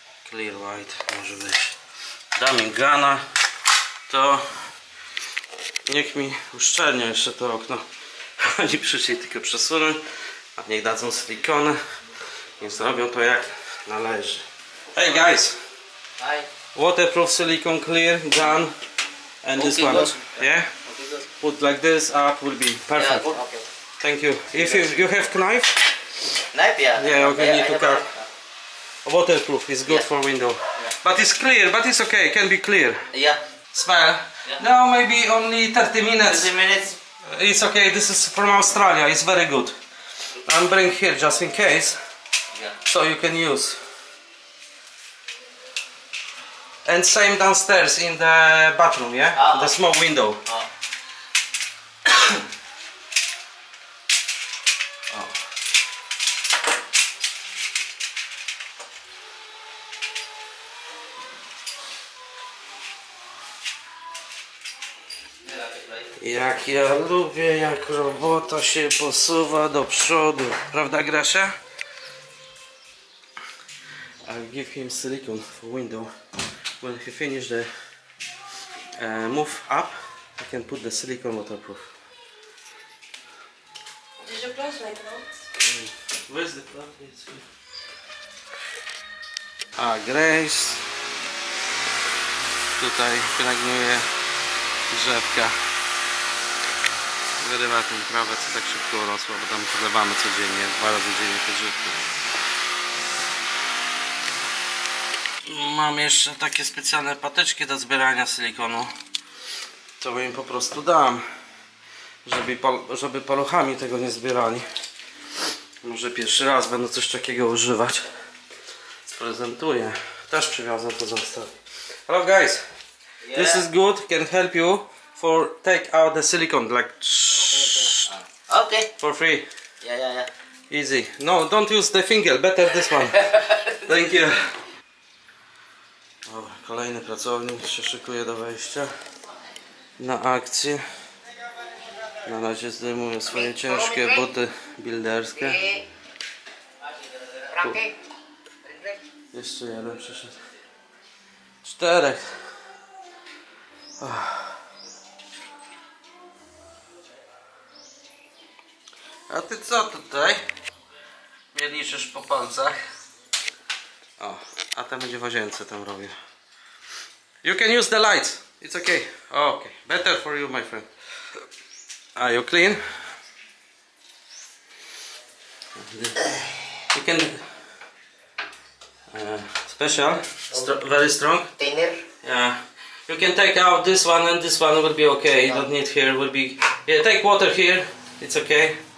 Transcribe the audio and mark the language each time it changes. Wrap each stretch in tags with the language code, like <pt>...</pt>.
<en>Clear white</en> <pl>może być. Dam im gana. To niech mi uszczelnia jeszcze to okno. Oni przyszli tylko przesunąć. A niech dadzą silikony i zrobią to jak należy.</pl> <en>Hey guys! Hi! Waterproof silicone clear gun and this one. Yeah? Put like this up will be perfect. Yeah, okay. Thank you. If you have knife? Knife, yeah. Yeah, okay, need to cut. Waterproof is good for window. Yeah. But it's clear, but it's okay, it can be clear. Yeah. Smell? Yeah. No, maybe only 30 minutes. 30 minutes? It's okay, this is from Australia, it's very good. I'm bring here just in case, so you can use. And same downstairs in the bathroom, yeah, the small window.</en> <pl>Jak ja lubię, jak robota się posuwa do przodu. Prawda, Grasia?</pl> <en>I'll give him silicone for window. When he finish the move up, I can put the silicone waterproof. Did you close my clothes? Where's the clothes? It's here. A Grace.</en> <pl>Tutaj pielęgnuje drzewka. Wyrywa tę trawę, co tak szybko rosło, bo tam podlewamy codziennie, dwa razy dziennie te drzewki. Mam jeszcze takie specjalne patyczki do zbierania silikonu. To im po prostu dam, żeby paluchami tego nie zbierali. Może pierwszy raz będą coś takiego używać. Sprezentuję. Też przywiozę to zostawię.</pl> <en>Hello guys! Yeah. This is good, can help you. For take out the silicone, like okay. For free. Yeah. Easy. No, don't use the finger. Better this one. Thank you.</en> <pl>O, kolejny pracownik się szykuje do wejścia na akcję. Na razie zdejmuje swoje ciężkie buty builderskie. Tu. Jeszcze jeden przyszedł. Czterech. A ty co tutaj? Mieliszysz po palcach. O, a tam będzie łazience tam robię.</pl> <en>You can use the lights. It's okay. Okay. Better for you, my friend. Are you clean? You can special. Very strong. Thinner. Yeah. You can take out this one and this one will be okay. You don't need here, will be yeah, take water here. It's okay.</en>